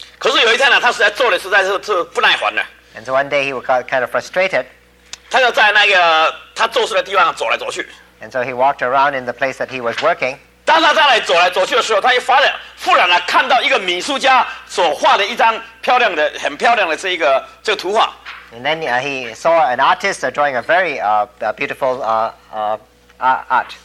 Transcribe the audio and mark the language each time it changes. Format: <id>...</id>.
<zh>可是有一天呢，他实在做的实在是不耐烦了。</zh> <en>And so one day he was kind of frustrated.</en> <zh>他就在那个他做事的地方走来走去。</zh> <en>And so he walked around in the place that he was working.</en> <zh>当他再来走来走去的时候，他忽然看到一个美术家所画的一张很漂亮的这个图画。</zh> <en>And then he saw an artist drawing a very beautiful art.</en>